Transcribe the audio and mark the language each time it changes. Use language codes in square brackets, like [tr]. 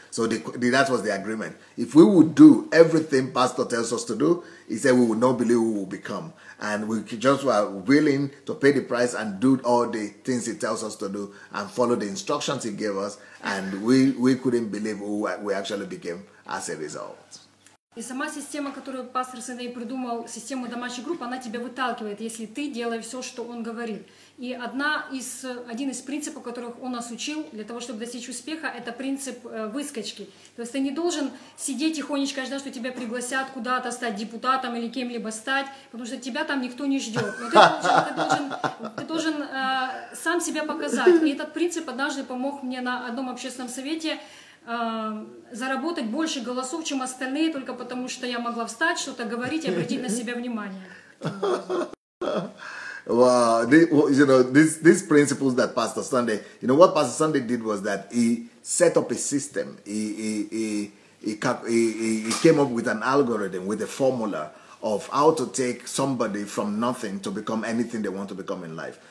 [en] So that was the agreement. If we would do everything Pastor tells us to do, he said we would not believe who we would become. And we just were willing to pay the price and do all the things he tells us to do and follow the instructions he gave us. And we couldn't believe who we actually became as a result. [ru] И сама система, которую пастор Сэндэй придумал, система домашних групп, она тебя выталкивает, если ты делаешь все, что он говорит. И один из принципов, которых он нас учил для того, чтобы достичь успеха, это принцип выскочки. То есть ты не должен сидеть тихонечко, ждать, что тебя пригласят куда-то стать депутатом или кем-либо стать, потому что тебя там никто не ждет. Но ты должен сам себя показать. И этот принцип однажды помог мне на одном общественном совете заработать больше голосов, чем остальные, только потому что я могла встать, что-то говорить и обратить на себя внимание. [en] Well, you know, these principles that Pastor Sunday, you know, what Pastor Sunday did was that he set up a system. He came up with an algorithm, with a formula of how to take somebody from nothing to become anything they want to become in life.